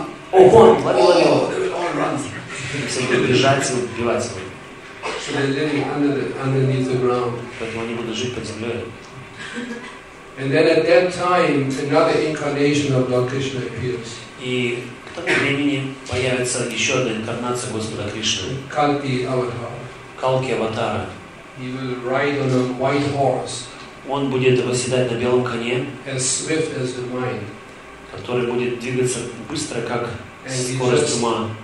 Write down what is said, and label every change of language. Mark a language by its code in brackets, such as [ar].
[ru] О, вон, лови, лови его. Все будут бежать и убивать его. Поэтому они будут жить под землей. [en] And then at that time, another incarnation of Lord Krishna appears. [ru] И к тому времени появится еще одна инкарнация Господа Кришны. [en] Калки Аватара. [ru] Калки Аватара. [en] He will ride on a white horse. [ru] Он будет восседать на белом коне. [en] As swift as the mind. [ru] Который будет двигаться быстро, как скорость ума.